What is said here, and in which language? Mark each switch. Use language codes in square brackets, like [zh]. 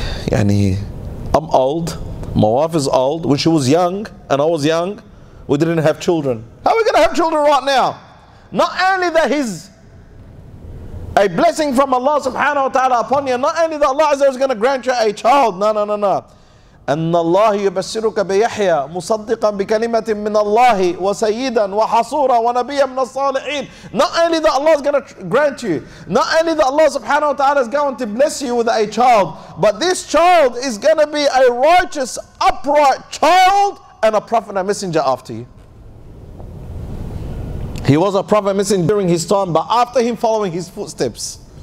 [en] Yani, I'm old. My wife is old. When she was young and I was young, we didn't have children. How are we going to have children right now? Not only that he's a blessing from Allah subhanahu wa ta'ala upon you, not only that Allah is going to grant you a child. No. [ar] أن الله يبشرك بيحيى مصدقا بكلمة من الله وسيدا وحصورا ونبيا من الصالحين. [en] Not only that Allah is going to grant you, not only that Allah subhanahu wa ta'ala is going to bless you with a child, but this child is going to be a righteous, upright child and a prophet and a messenger after you. He was a prophet missing during his time, but after him following his footsteps.